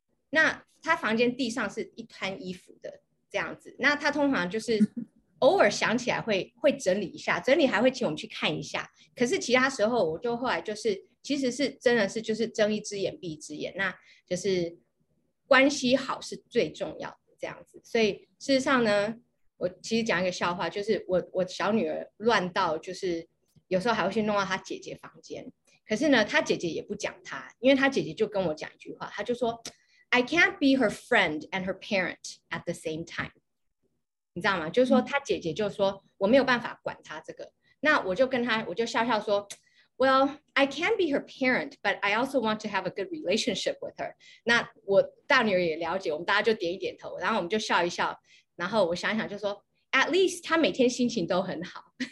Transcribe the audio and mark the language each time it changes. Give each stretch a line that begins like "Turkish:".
Chinese: 那她房间地上是一滩衣服的这样子，那她通常就是偶尔想起来 会整理一下，整理还会请我们去看一下，可是其他时候我就后来就是其实是真的是就是睁一只眼闭一只眼，那就是关系好是最重要的这样子。所以事实上呢我其实讲一个笑话，就是 我小女儿乱到就是有时候还会去弄到她姐姐房间，可是呢她姐姐也不讲她，因为她姐姐就跟我讲一句话，她就说
English: I can't be her friend and her parent at the same time.
Chinese: 你知道吗？就是说她姐姐就说我没有办法管她这个。那我就跟她，我就笑笑说
English: ，Well, I can be her parent, but I also want to have a good relationship with her.
Chinese: 那我大女儿也了解，我们大家就点一点头，然后我们就笑一笑。然后我想一想就说 ，
English: At least
Chinese: 她每天心情都很好。